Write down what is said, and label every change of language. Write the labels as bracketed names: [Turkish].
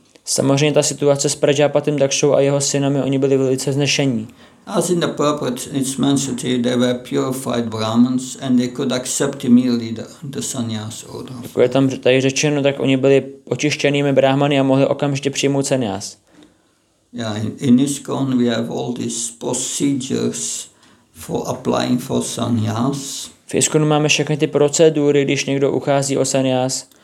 [Czech] Samozřejmě ta situace s Prajapatim Dakshou a jeho synami, oni byli velice vznešení. [English] As in the purport it's mentioned here, they were purified Brahmins and they could accept immediately the sannyas order. [Czech] Jako je tam tady řečeno, tak oni byli očištěnými Brahmany a mohli okamžitě přijmout sannyas. [English] Yeah, in ISKCON we have all these procedures for applying for sannyas. [Czech] V ISKCONu máme všechny ty procedury, když někdo uchází o sannyas.